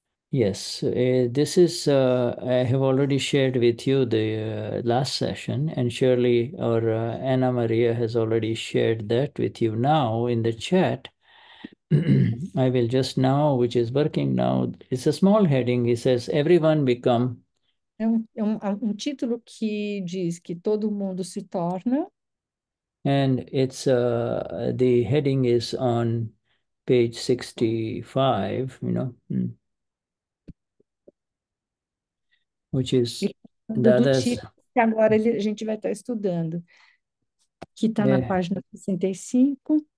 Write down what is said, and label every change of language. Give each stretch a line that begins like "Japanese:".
English: this is, I have already shared with you the last session, and Shirley or Anna Maria has already shared that with you now in the chat. I will just now, which is working now, it's a small heading. It says, everyone become
Portuguese: É um título que diz que todo mundo se torna.
English: And it's the heading is on page 65, which is
Portuguese: Do
English: Dada's.
Portuguese: título que agora a gente vai estar estudando, que está na página 65.